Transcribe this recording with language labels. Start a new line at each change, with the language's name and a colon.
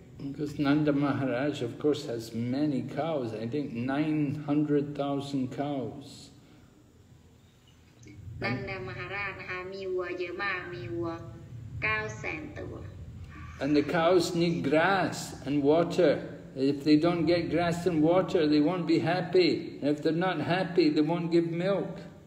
English: Because Nanda Maharaj of course has many cows I think 900,000 cows
Thai: นันดามาราชนะคะมีวัวเยอะมากมีวัว 900,000 ตัว
English: And the cows need grass and waterIf they don't get grass and water, they won't be happy. And if they're not happy, they won't give milk.